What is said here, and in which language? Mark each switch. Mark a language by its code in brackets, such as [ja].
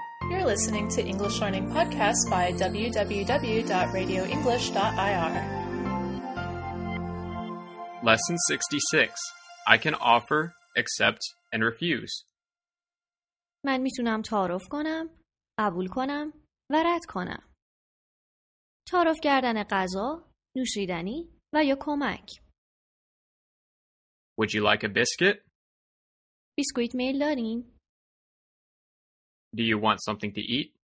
[en] You're listening to English Learning Podcast by www.radioenglish.ir. Lesson 66. I can offer, accept, and refuse. [fa] من میتونم تعارف کنم، قبول کنم و رد کنم. تعارف کردن غذا، نوشیدنی و یا کمک. [en] Would you like a biscuit? [fa] بیسکویت میل دارین؟ [en] Do you want something to eat?